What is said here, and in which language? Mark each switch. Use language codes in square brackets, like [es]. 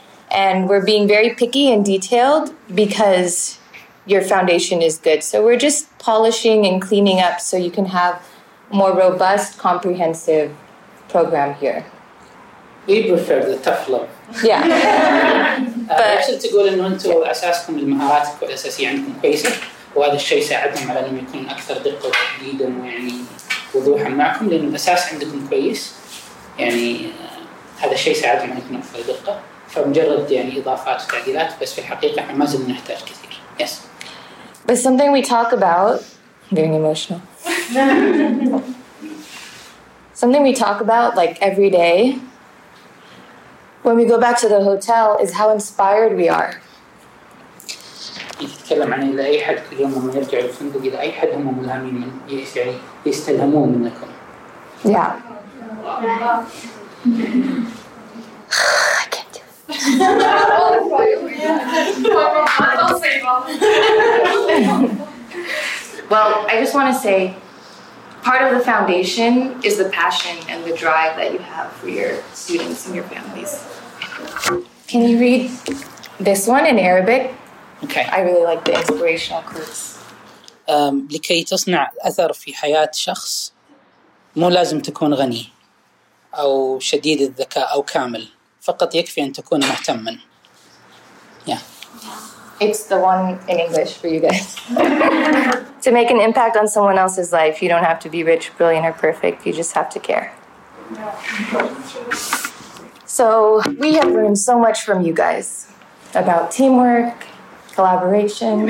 [en] And we're being very picky and detailed because your foundation is good. So we're just polishing and cleaning up so you can have more robust, comprehensive program here. We prefer the tough love. Yeah. [ar] But عشان تقولين أنتم أساسكم المهاراتك والأساسية عندكم كويسة وهذا الشيء ساعدهم على أنهم يكون أكثر دقة وتحديدا ويعني وضوحا معكم لأن الأساس عندكم كويس يعني هذا الشيء ساعدهم على أنهم أكثر دقة فمجرد يعني إضافات وتعديلات بس في الحقيقة إحنا ما زلنا نحتاج كثير. [en] Yes. But something we talk about, getting emotional. Something we talk about like every day when we go back to the hotel is how inspired we are. Yeah. Well, I just want to say part of the foundation is the passion and the drive that you have for your students and your families. Can you read this one in Arabic? Okay. I really like the inspirational quotes. [ar] لكي تصنع أثر في حياة شخص مو لازم تكون غني أو شديد الذكاء أو كامل فقط يكفي أن تكون مهتماً. [en] Yeah. It's the one in English for you guys. To make an impact on someone else's life, you don't have to be rich, brilliant, or perfect. You just have to care. So we have learned so much from you guys about teamwork, collaboration.